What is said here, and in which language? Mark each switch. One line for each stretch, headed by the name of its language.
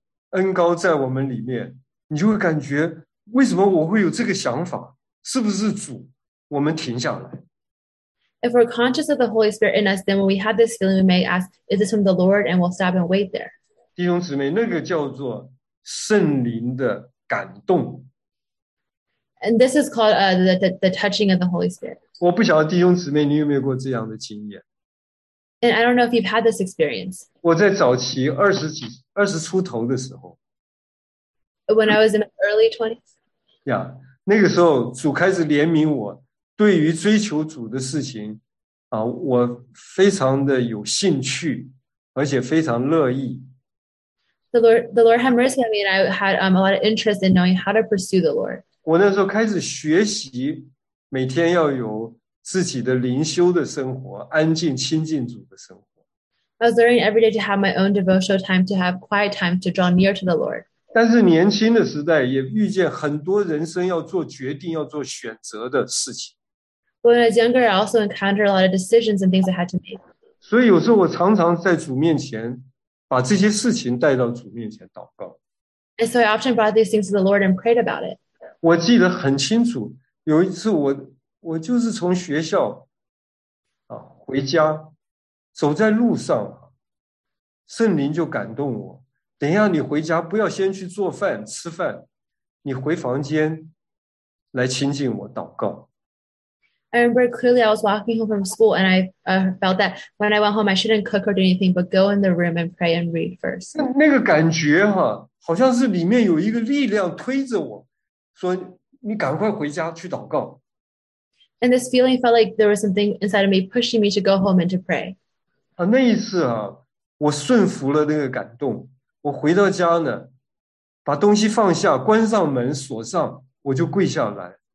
Chinese: 若是我们留意恩膏在我们里面, 你就会感觉为什么我会有这个想法, 是不是主? 我们停下来,
English: if we're conscious of the Holy Spirit in us, then when we have this feeling, we may ask, is this from the Lord? And we'll stop and wait there.
Chinese: 弟兄姊妹, 那个叫做圣灵的感动。
English: And this is called the touching of the Holy Spirit.
Chinese: 我不晓得弟兄姊妹, 你有没有过这样的经验?
English: And I don't know if you've had this experience.
Chinese: 我在早期 二十出头的时候,
English: when I was in my early 20s?
Chinese: Yeah, 那个时候主开始怜悯我, 对于追求主的事情, 啊, 我非常的有兴趣, 而且非常乐意。
English: The Lord had mercy on me, and I had a lot of interest in knowing how to pursue the Lord.
Chinese: 我那时候开始学习, 每天要有自己的灵修的生活, 安静亲近主的生活。
English: I was learning every day to have my own devotional time, to have quiet time to draw near to the Lord.
Chinese: 但是年轻的时代也遇见很多人生要做决定、要做选择的事情。
English: When I was younger, I also encountered a lot of decisions and things I had to make.
Chinese: 所以有时候我常常在主面前把这些事情带到主面前祷告。
English: And so I often brought these things to the Lord and prayed about it.
Chinese: 我记得很清楚, 有一次我就是从学校, 啊, 回家, 走在路上, 圣灵就感动我, 等一下你回家不要先去做饭, 吃饭, 你回房间, 来亲近我, 祷告。
English: I remember clearly I was walking home from school, and I felt that when I went home, I shouldn't cook or do anything, but go in the room and pray and read first.
Chinese: 那个感觉啊, 好像是里面有一个力量推着我, 说你赶快回家去祷告。
English: And this feeling felt like there was something inside of me pushing me to go home and to pray.
Chinese: 啊, 那一次啊, 我顺服了那个感动, 我回到家呢, 把东西放下, 关上门, 锁上, 我就跪下来。